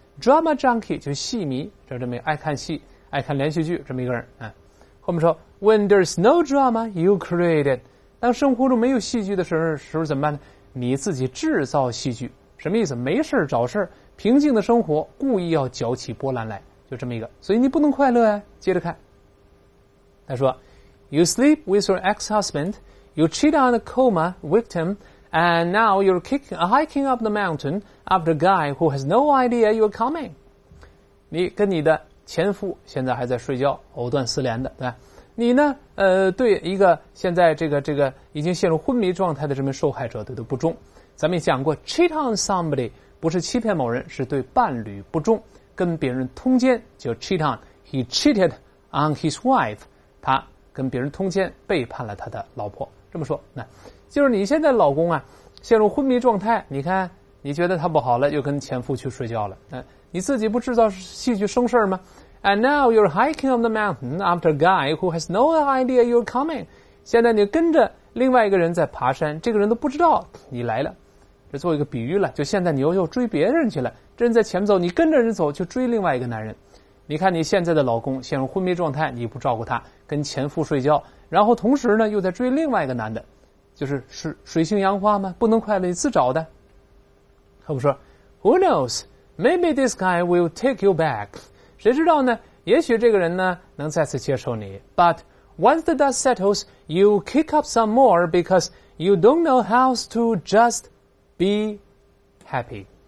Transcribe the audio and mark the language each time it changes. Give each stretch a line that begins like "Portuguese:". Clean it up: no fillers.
Chinese: drama junkie 就是戏迷，就这么爱看戏、爱看连续剧这么一个人。啊，后面说 ，
English: when there's no drama you created，
Chinese: 当生活中没有戏剧的时候怎么办呢？你自己制造戏剧，什么意思？没事找事，平静的生活故意要搅起波澜来，就这么一个。所以你不能快乐啊。接着看，他说。
English: You sleep with your ex-husband, you cheat on a coma victim, and now you're hiking up the mountain after a guy who has no idea you're coming.
Chinese: 你跟你的前夫现在还在睡觉，藕断丝连的，对吧？你呢？对一个现在这个已经陷入昏迷状态的这名受害者的不忠，咱们也讲过 ，
English: cheat on somebody
Chinese: 不是欺骗某人，是对伴侣不忠，跟别人通奸就 cheat on.
English: He cheated on his wife.
Chinese: 他跟别人通奸，背叛了他的老婆。这么说，那就是你现在老公啊，陷入昏迷状态。你看，你觉得他不好了，又跟前夫去睡觉了。你自己不制造戏剧生事吗 ？
English: And now you're hiking on the mountain after a guy who has no idea you're coming。
Chinese: 现在你跟着另外一个人在爬山，这个人都不知道你来了。这做一个比喻了，就现在你又追别人去了，这人在前面走，你跟着人走去追另外一个男人。你看你现在的老公陷入昏迷状态，你不照顾他，跟前夫睡觉，然后同时呢又在追另外一个男的，就是水性杨花吗？不能快乐你自找的。他们说
English: Who knows? Maybe this guy will take you back.
Chinese: 谁知道呢？也许这个人呢能再次接受你。
English: But once the dust settles, you kick up some more because you don't know how to just be happy.